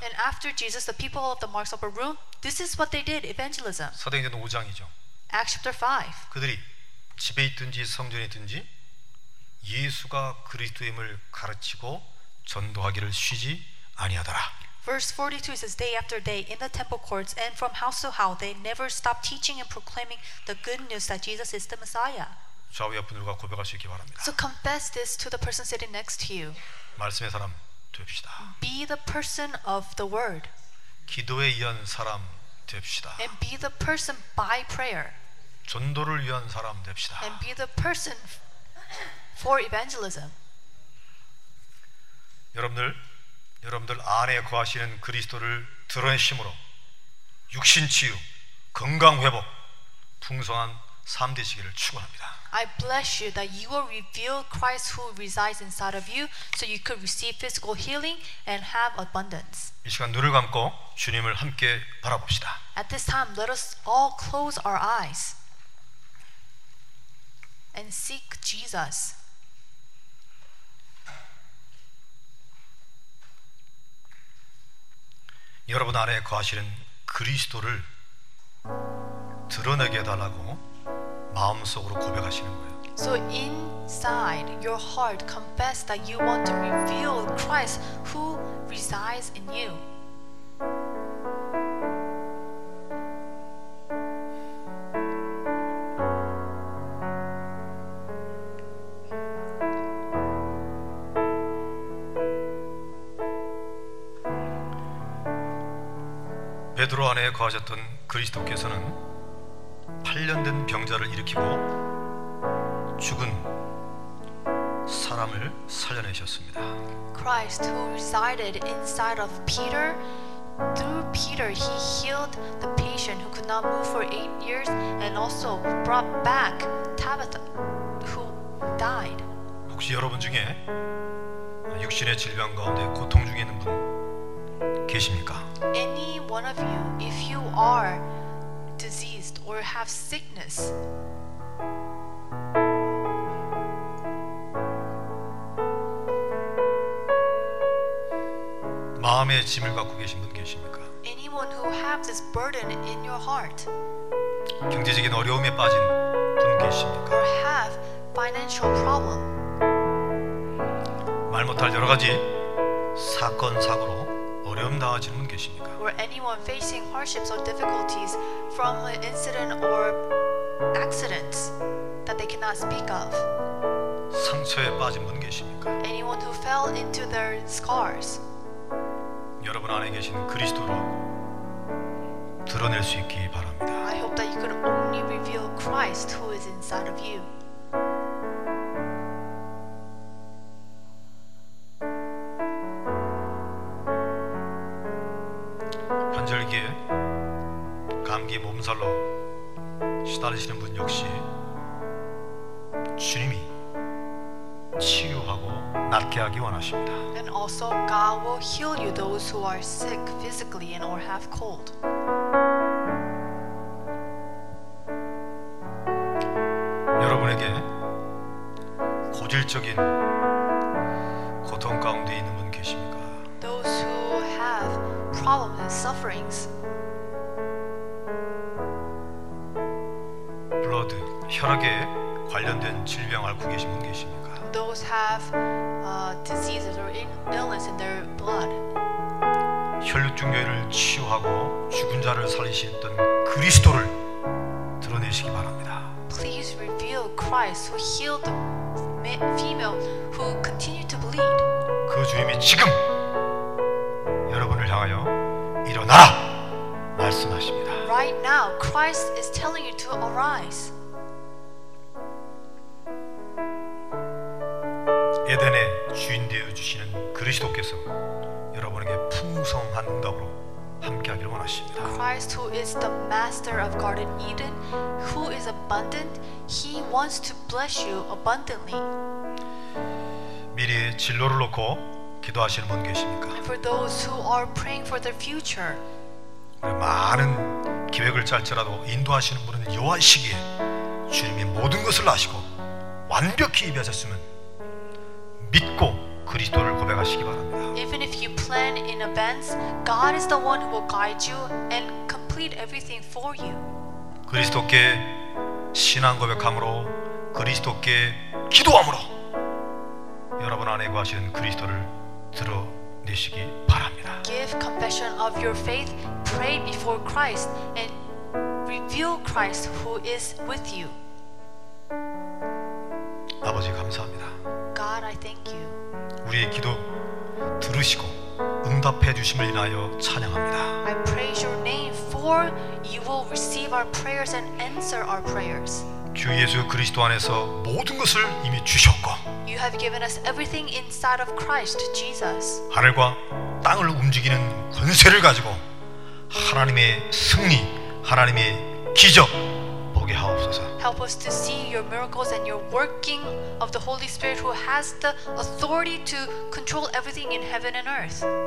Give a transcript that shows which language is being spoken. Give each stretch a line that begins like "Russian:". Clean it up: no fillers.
English: And after Jesus, the people of the Mark's upper room, this is what they did, evangelism.
Korean: 사도행전 5장이죠.
English: Acts chapter 5.
Korean: 그들이 집에 있든지 성전에 있든지 예수가 그리스도임을 가르치고 전도하기를 쉬지 아니하더라.
English: Verse 42 says, day after day in the temple courts and from house to house, they never stop teaching and proclaiming the good news that Jesus is the Messiah.
Korean: 좌우 옆 분들과 고백할 수 있기 바랍니다.
English: So confess this to the person sitting next to you.
Korean: 말씀의 사람 됩시다.
English: Be the person of the word.
Korean: 기도에 의한 사람 됩시다.
English: And be the person by prayer.
Korean: 전도를 위한 사람 됩시다.
English: And be the person for evangelism.
Korean: 여러분들 안에 거하시는 그리스도를 드러내심으로 육신 치유, 건강 회복, 풍성한 삶 되시기를 축원합니다.
English: I bless you that you will reveal Christ who resides inside of you so you could receive physical healing and have abundance.
Korean: 이 시간 눈을 감고 주님을 함께 바라봅시다.
English: At this time, let us all close our eyes and seek Jesus.
Korean: 여러분 안에 거하시는 그리스도를 드러내게 해달라고 마음속으로 고백하시는 거예요.
English: So inside your heart, confess that you want to reveal Christ who resides in you.
Korean: 베드로 안에 거하셨던 그리스도께서는 8년 된 병자를 일으키고 죽은 사람을 살려내셨습니다.
English: Christ who resided inside of Peter, through Peter he healed the patient who could not move for 8 years and also brought back Tabitha who died.
Korean: 혹시 여러분 중에 육신의 질병 가운데 고통 중에 있는 분 계십니까?
English: Any one of you, if you are diseased or have sickness,
Korean: 마음의 짐을 갖고 계신 분 계십니까?
English: Anyone who have this burden in your heart,
Korean: 경제적인 어려움에 빠진 분 계십니까?
English: Or have financial problem,
Korean: 말 못할 여러 가지 사건 사고로 어려움 당하시는 분 계십니까?
English: Or anyone facing hardships or difficulties from an incident or accidents that they cannot speak of?
Korean: 상처에 빠진 분 계십니까?
English: Anyone who fell into their scars?
Korean: 여러분 안에 계신 그리스도로 드러낼 수 있기 바랍니다.
English: I hope that you could only reveal Christ who is inside of you.
Korean: 환절기에 감기 몸살로 시달리시는 분 역시 주님이 치유하고 낫게 하기 원하십니다.
English: And also God will heal you those who are sick physically and or have cold.
Korean: 여러분에게 고질적인 고통 가운데 있는 분 계십니까?
English: Those who have problems and sufferings.
Korean: Blood, 혈액에 관련된 질병 앓고 계신 분 계십니까?
English: Those have diseases or illness in their blood.
Korean: 혈육종교를 치유하고 죽은 자를 살리셨던 그리스도를 드러내시기 바랍니다.
English: Please reveal Christ who healed the female who continued to bleed.
Korean: 그 주님이 지금 여러분을 향하여 일어나라 말씀하십니다.
English: Right now, Christ is telling you to arise.
Korean: 에덴의 주인 되어 주시는 그리스도께서 여러분에게 풍성한 응답으로 함께하길 원하십니다.
English: Christ who is the master of Garden Eden, who is abundant, he wants to bless you abundantly.
Korean: 미래 진로를 놓고 기도하시는 분 계십니까?
English: For those who are praying for their future.
Korean: 많은 계획을 짤지라도 인도하시는 분은 요한 시기에 주님이 모든 것을 아시고 완벽히 예비하셨으면 믿고 그리스도를 고백하시기 바랍니다.
English: Even if you plan in advance, God is the one who will guide you and complete everything for you.
Korean: 그리스도께 신앙 고백함으로 그리스도께 기도함으로 여러분 안에 거하시는 그리스도를 드러내시기 바랍니다.
English: Give confession of your faith, pray before Christ and reveal Christ who is with you.
Korean: 아버지 감사합니다.
English: God, I thank you.
Korean: 우리의 기도 들으시고 응답해 주심을 인하여 찬양합니다.
English: I praise your name for Therefore, you will receive our prayers and answer our prayers.
Korean: 주 예수 그리스도 안에서 모든 것을 이미 주셨고.
English: You have given us everything inside of Christ Jesus.
Korean: 하늘과 땅을 움직이는 권세를 가지고 하나님의 승리, 하나님의 기적 보게 하옵소서.
English: Help us to see your miracles and your working of the Holy Spirit who has the authority to control everything in heaven and earth.